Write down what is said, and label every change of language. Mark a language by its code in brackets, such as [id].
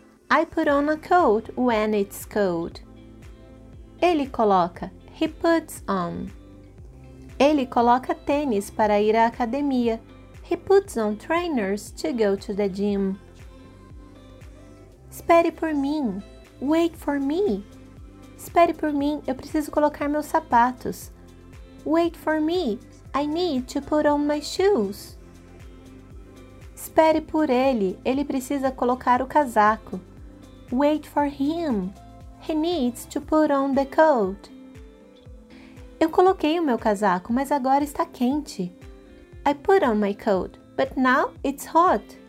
[en] I put on a coat when it's cold. [pt] Ele coloca, [en] he puts on. [pt] Ele coloca tênis para ir à academia. [en] He puts on trainers to go to the gym. [pt] Espere por mim. [en] Wait for me. [pt] Espere por mim, eu preciso colocar meus sapatos. [en] Wait for me. I need to put on my shoes. [pt] Espere por ele. Ele precisa colocar o casaco. [en] Wait for him. He needs to put on the coat. [pt] Eu coloquei o meu casaco, mas agora está quente. [en] I put on my coat, but now it's hot.